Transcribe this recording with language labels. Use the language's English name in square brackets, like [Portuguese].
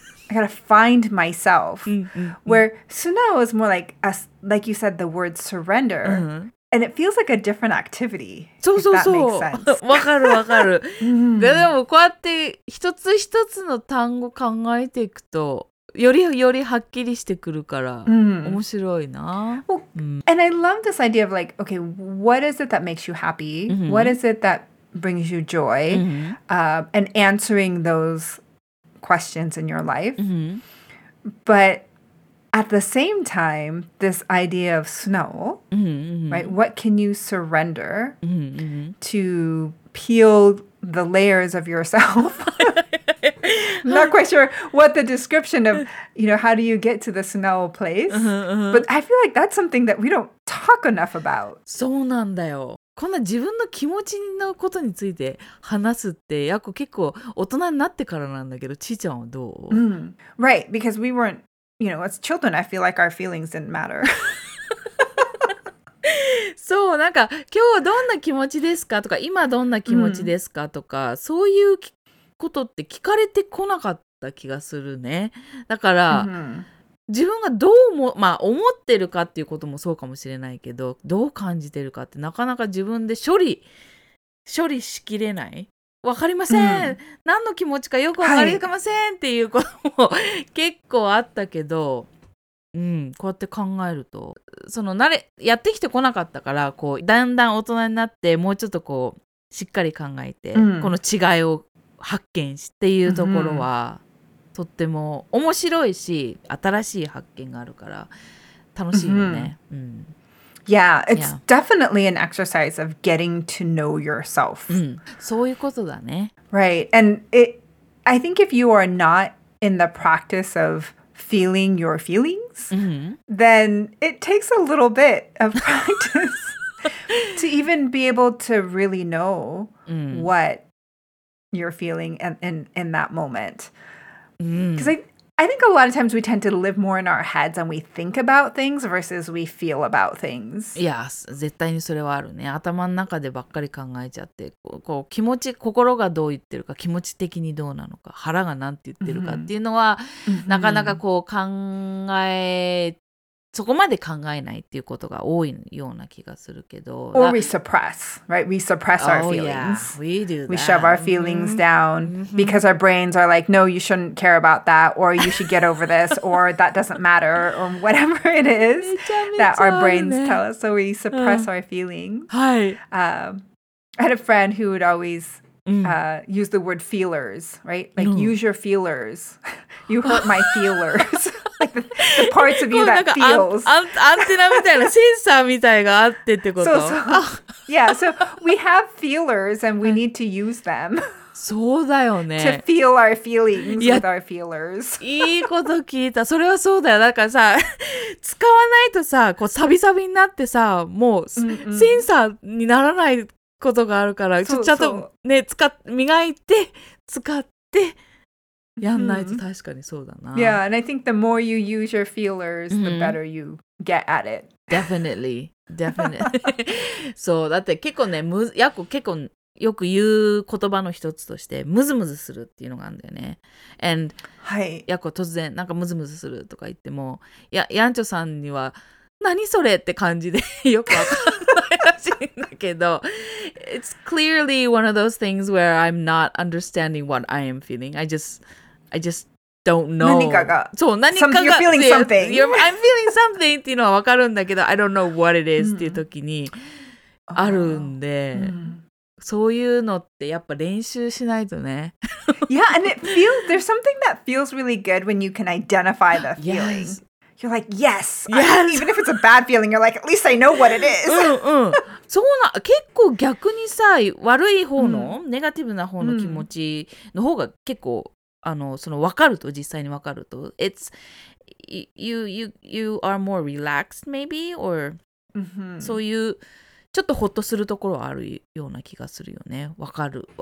[English] I gotta find myself. Mm-hmm. Where sunao is more like a, like you said, the word surrender, mm-hmm. and it feels like a different activity. [Japanese] So so so. わかるわかる。でもこうやって一つ一つの単語考えていくとよりよりはっきりしてくるから面白いな。 [English] Well, and I love this idea of like, okay, what is it that makes you happy? Mm-hmm. What is it that brings you joy? Mm-hmm. And answering those. Questions in your life. Mm-hmm. But at the same time, this idea of snow, mm-hmm. right? What can you surrender mm-hmm. to peel the layers of yourself? I'm not quite sure what the description of, you know, how do you get to the snow place? Mm-hmm, mm-hmm. But I feel like that's something that we don't talk enough about. [Japanese] そうなんだよ。こんな自分の気持ちのことについて話すって結構大人になってからなんだけど、ちーちゃんはどう？ Mm. [English] Right, because we weren't, you know, as children, I feel like our feelings didn't matter. [Japanese] そう、なんか今日どんな気持ちですかとか、今どんな気持ちですかとか、そういうことって聞かれてこなかった気がするね。だから、 mm-hmm. 自分がどう思、まあ、思ってるかっていうこともそうかもしれないけど、どう感じてるかってなかなか自分で処理しきれない。わかりません、うん、何の気持ちかよくわかりませんっていうことも、はい、結構あったけど、うん、こうやって考えるとその慣れやってきてこなかったから、こうだんだん大人になってもうちょっとこうしっかり考えて、うん、この違いを発見しっていうところは、うん、とっても面白いし、新しい発見があるから楽しいよね。 Mm-hmm. うん、 [English] yeah, it's yeah. definitely an exercise of getting to know yourself.、 [Japanese] うん、そういうことだね。 [English] Right, and I think if you are not in the practice of feeling your feelings,、 mm-hmm. then it takes a little bit of practice to even be able to really know、うん、 what you're feeling in that moment. Because I think a lot of times we tend to live more in our heads and we think about things versus we feel about things. [Japanese] Yes, 絶対にそれはあるね。頭の中でばっかり考えちゃって、こう気持ち、心がどう言ってるか、気持ち的にどうなのか、腹がなんて言ってるかっていうのは、mm-hmm. なかなかこう考え、そこまで考えないっていうことが多いような気がするけど。 [English] Or we suppress, right? We suppress our feelings. Oh, yeah. We do that. We shove our feelings、mm-hmm. down because our brains are like, no, you shouldn't care about that, or you should get over this, or that doesn't matter, or whatever it is that our brains tell us. So we suppress our feelings. Hi. I had a friend who would always、use the word feelers, right? Like,、no. use your feelers. You hurt my feelers. Like the parts of you that feels. [Japanese] アンテナみたいな、センサーみたいがあってってこと。そうそう。 [English] Yeah, so we have feelers and we need to use them. [Japanese] そうだよね。 [English] To feel our feelings with our feelers. [Japanese] いいこと聞いた。それはそうだよ。だからさ、使わないとさ、こうサビサビになってさ、もう、mm-hmm. センサーにならないことがあるから、ちゃんとね、磨いて、使って、やんないと確かにそうだな。 Mm-hmm. [English] Yeah, and I think the more you use your feelers, the better you get at it. Definitely, definitely. [Japanese] そう、だって結構ね、結構よく言う言葉の一つとして、ムズムズするっていうのがあるんだよね。 [English] And、 [Japanese] はい、やこ突然なんかムズムズするとか言っても、やんちょさんには何それって感じでよくわかんないらしいんだけど、 [English] It's clearly one of those things where I'm not understanding what I am feeling. I just don't know. [Japanese] 何かが。そう、何かが。 [English] You're feeling something. I'm feeling something [Japanese] っていうのは分かるんだけど、 [English] I don't know what it is [Japanese] っていう時にあるんで、そういうのってやっぱ練習しないとね。 [English] Yeah, and it feels, there's something that feels really good when you can identify the feeling. Yes. You're like, yes. Yes. Even if it's a bad feeling, you're like, at least I know what it is. [Japanese] そうな、結構逆にさ、悪い方の、ネガティブな方の気持ちの方が結構、その分かると、実際に分かると。 [English] It's, you are more relaxed maybe, or [Japanese] そういう、ちょっとほっとするところはあるような気がするよね。分かる。